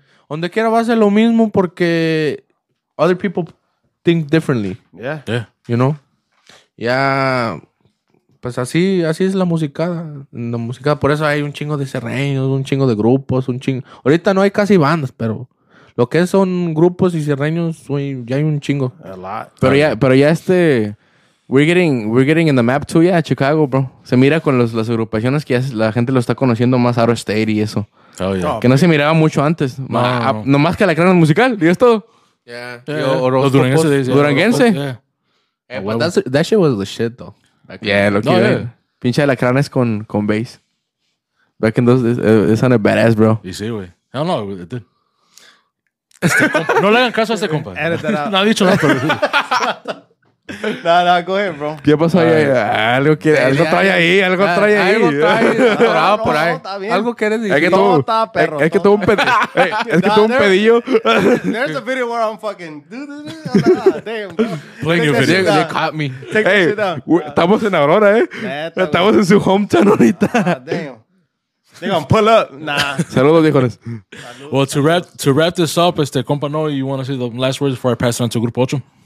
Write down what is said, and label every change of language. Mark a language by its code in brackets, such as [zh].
[es] Donde quiera va a ser lo mismo porque [en] other people think differently. Yeah. Yeah. You know? [es] Pues así es la musicada. Por eso hay un chingo de cerreños, un chingo de grupos, un chingo... Ahorita no hay casi bandas, pero... Lo que son grupos y cerreños, ya hay un chingo. [en] A lot. [es] Pero ya [en] We're getting in the map too, yeah, Chicago, bro. [es] Se mira con las agrupaciones que ya la gente lo está conociendo más, Arrow State y eso. [en] Oh, yeah. [es] Que no se miraba mucho antes. No más que la crana musical, y es todo. [en] Yeah. [es] Los duranguenses. Duranguense. [en] Yeah. Hey, but that shit was the shit, though. [es] Yeah, lo que yeah. Pinche de lacranes con bass. [en] Back in those days, it's on a badass, bro. [es] Y sí, güey. [en] Hell no, [es] güey. No le hagan caso a este compa. No ha dicho nada, pero... [en] No, go ahead, bro. [es] ¿Qué pasó ahí? Algo trae ahí. Algo trae ahí. Por ahí. Algo quieres decir. Es que tuvo un pedillo. [en] There's a video where I'm fucking... Damn, playing your video. You caught me. Take the shit down. [es] Estamos en Aurora, Estamos en su hometown ahorita. [en] Damn. They're gonna pull up. Nah. [es] Saludos, viejones. [en] Well, to wrap this up, compa, no, you want to say the last words before I pass it on to Grupo 8?